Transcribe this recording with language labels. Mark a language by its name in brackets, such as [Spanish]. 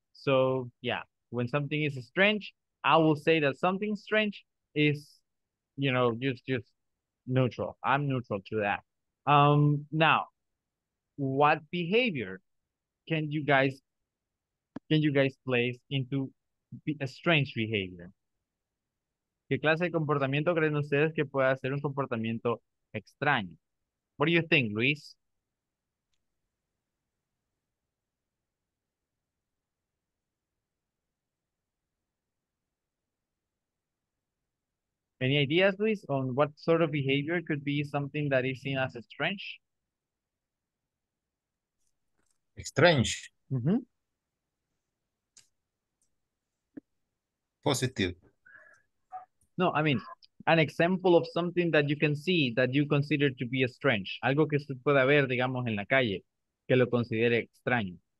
[English] So yeah, when something is strange, I will say that something strange is, you know, just neutral. I'm neutral to that. Now, what behavior can you guys place into a strange behavior? [Spanish] ¿Qué clase de comportamiento creen ustedes que pueda ser un comportamiento extraño? [English] What do you think, Luis? Any ideas, Luis, on what sort of behavior could be something that is seen as strange? Strange. Mm-hmm. Positive. No, I mean, an example of something that you can see that you consider to be strange. [Spanish] Algo que se pueda ver, digamos, en la calle, que lo considere extraño.